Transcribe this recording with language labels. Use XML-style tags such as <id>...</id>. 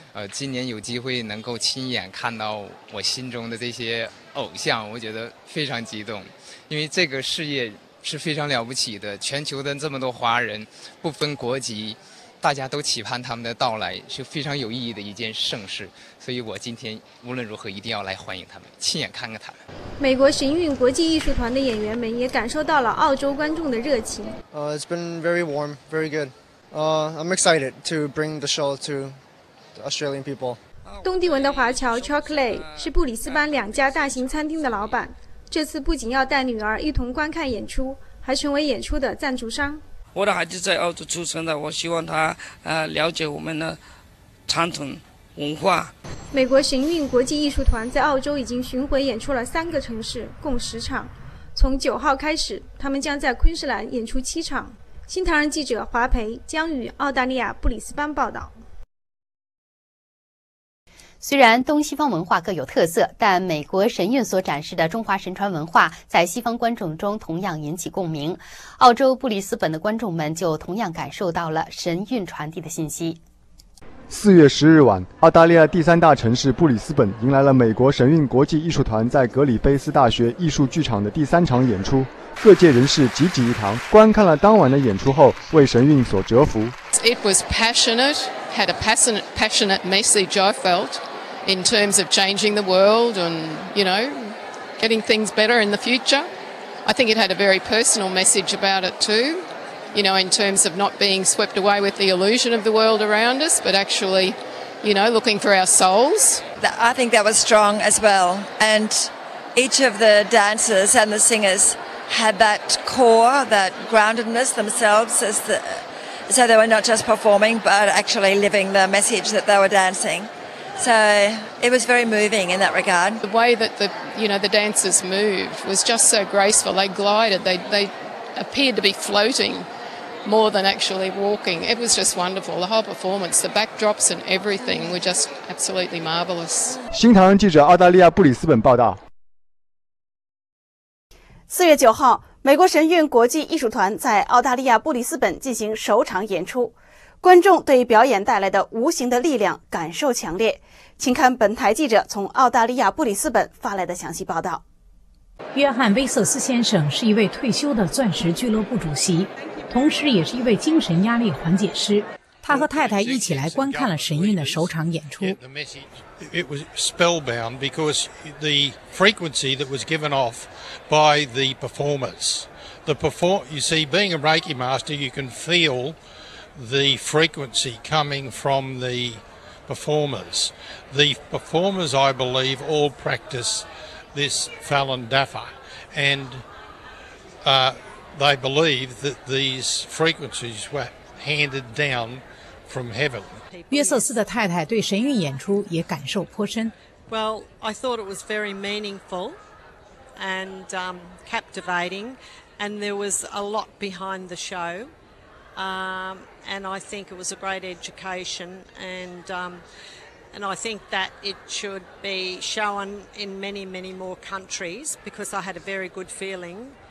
<zh>今年有机会能够亲眼看到我心中的这些偶像，我觉得非常激动，因为这个事业是非常了不起的，全球的这么多华人不分国籍，大家都期盼他们的到来，是非常有意义的一件盛事，所以我今天无论如何一定要来欢迎他们，亲眼看看他们。美国神韵国际艺术团的演员们也感受到了澳洲观众的热情。</zh> <en>It's been very warm, very good. I'm excited to bring the show to the Australian people.</en> <zh>东帝汶的华侨 Chuck Lay 是布里斯班两家大型餐厅的老板，这次不仅要带女儿一同观看演出，还成为演出的赞助商。我的孩子在澳洲出生的，我希望他了解我们的传统文化。美国神韵国际艺术团在澳洲已经巡回演出了3个城市，共10场。从9号开始，他们将在昆士兰演出7场。新唐人记者华培、江宇，澳大利亚布里斯班报道。虽然东西方文化各有特色，但美国神韵所展示的中华神传文化在西方观众中同样引起共鸣。澳洲布里斯本的观众们就同样感受到了神韵传递的信息。 4月10日晚，澳大利亚第三大城市布里斯本迎来了美国神韵国际艺术团在格里菲斯大学艺术剧场的第3场演出，各界人士集集一堂，观看了当晚的演出后为神韵所折服。</zh> <en>It was passionate, had a passionate message I felt in terms of changing the world and, you know, getting things better in the future. I think it had a very personal message about it too. You know, in terms of not being swept away with the illusion of the world around us, but actually, you know, looking for our souls. I think that was strong as well. And each of the dancers and the singers had that core, that groundedness themselves, so they were not just performing, but actually living the message that they were dancing. So it was very moving in that regard. The way that the dancers moved was just so graceful. They glided, they appeared to be floating. More than actually walking. It was just wonderful. The whole performance, the backdrops and everything were just absolutely marvelous.</en> <zh>新唐人记者澳大利亚布里斯本报道。 4月9号，美国神韵国际艺术团在澳大利亚布里斯本进行首场演出。观众对表演带来的无形的力量感受强烈。请看本台记者从澳大利亚布里斯本发来的详细报道。约翰·威瑟斯先生是一位退休的钻石俱乐部主席，同时也是一位精神压力缓解师。他和太太一起来观看了神韵的首场演出。</zh> <en>It was spellbound because the frequency that was given off by the performers. You see, being a Reiki master, you can feel the frequency coming from the performers. The performers, I believe, all practice this Falun Dafa and, they believe that these frequencies were handed down from heaven.</en> <zh>约瑟斯的太太对神韵演出也感受颇深。</zh> <en>Well, I thought it was very meaningful and captivating, and there was a lot behind the show. And I think it was a great education, and I think that it should be shown in many, many more countries because I had a very good feeling.</en>